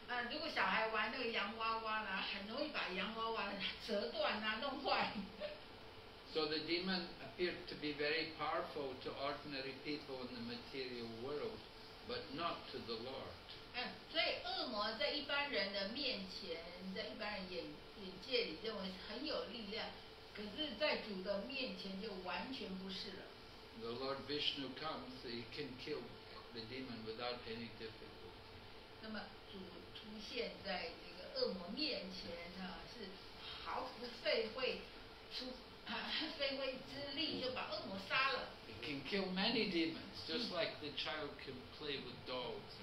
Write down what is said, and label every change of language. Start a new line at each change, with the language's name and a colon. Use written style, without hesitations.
Chinese: 如果小孩玩那个洋娃娃呢，很容易把洋娃娃折断啊，弄坏。So
English: the demon appeared to be very powerful to ordinary people in the material world, but not to the Lord.
Chinese: 所以恶魔在一般人的面前，在一般人眼界里认为很有力量，可是，在主的面前就完全不是了。
English: The Lord Vishnu comes, he can kill the demon without any difficulty.
Chinese: 那么主出现在这个恶魔面前呢，是毫不费费之力就把恶魔杀了。
English: Can kill many demons, just like the child can play with dolls.